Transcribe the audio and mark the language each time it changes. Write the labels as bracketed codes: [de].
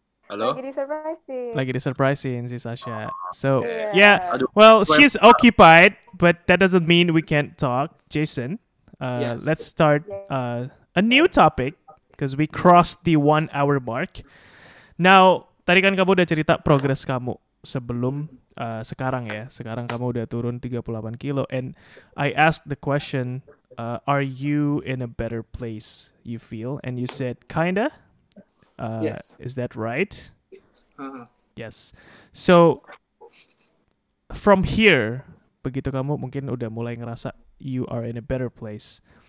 [id] Halo. Lagi di surprising [en] si Sasha. So yeah. Well, she's occupied, but that doesn't mean we can't talk, Jason. Yes. Let's start a new topic because we crossed the 1 hour mark. [id] Now, tadi kan kamu udah cerita progress kamu sebelum sekarang ya. Sekarang kamu udah turun 38 kilo. [en] And I asked the question, are you in a better place you feel? And you said, kinda. Yes. Is that right? Uh-huh. Yes. So, from here, [id] begitu kamu mungkin udah mulai ngerasa [en] you are in a better place.